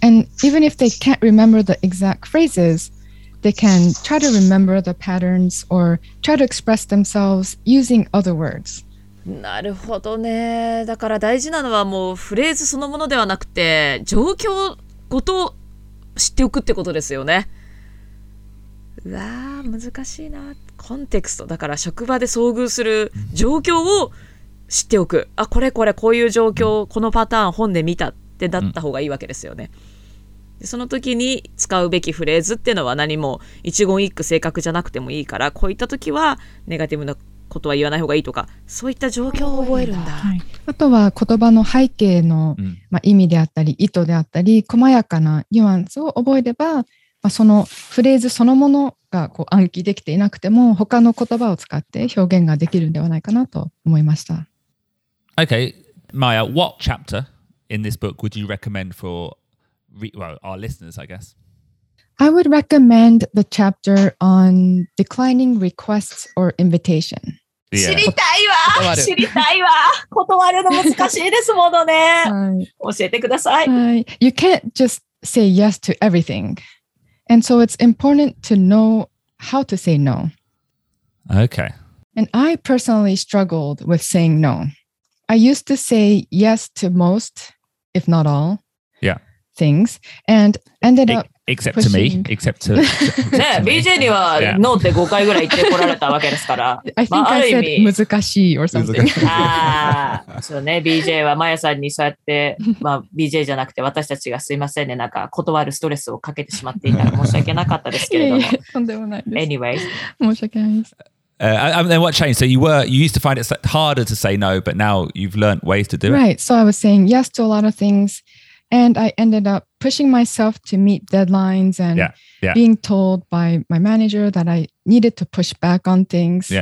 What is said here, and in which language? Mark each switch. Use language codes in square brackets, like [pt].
[en] And even if they can't remember the exact phrases, they can try to remember the patterns or try to express themselves using other words. [ja] なるほどね。だから大事なのはもうフレーズそのものではなくて状況ごと知っておくってことですよね。うわー、難しいな。コンテクスト。だから職場で遭遇する状況を知っておく。あ、これこれこういう状況、このパターン本で見たってだった方がいいわけですよね。その時に使うべきフレーズっていうのは何も一言一句正確じゃなくてもいいから、こういった時はネガティブなことは言わない方がいいとか、そういった状況を覚えるんだ。はい、あとは言葉の背景の、まあ、意味であったり、意図であったり、細やかなニュアンスを覚えれば、まあ、そのフレーズそのものがこう暗記できていなくても、他の言葉を使って表現ができるんではないかなと思いました。 [en] Okay, Maya, what chapter in this book would you recommend for well, our listeners, I guess? I would recommend the chapter on declining requests or invitation. You can't just say yes to everything. And so it's important to know how to say no. Okay. And I personally struggled with saying no. I used to say yes to most, if not all, things, and ended up except pushing. To me, except to me. [ja] BJ には no って5回ぐらい言ってこられたわけですから。 [en] I think I said 難しい or something. [ja] そうね、BJ はマヤさんにそうやって、まあ、BJ じゃなくて私たちがすいませんね、なんか断るストレスをかけてしまっていたら申し訳なかったですけれども。とんでもないです。 [en] Anyway. [ja] 申し訳ないです。 [en] And then what changed? So you used to find it harder to say no, but now you've learned ways to do it. Right. So I was saying yes to a lot of things, and I ended up pushing myself to meet deadlines and being told by my manager that I needed to push back on things.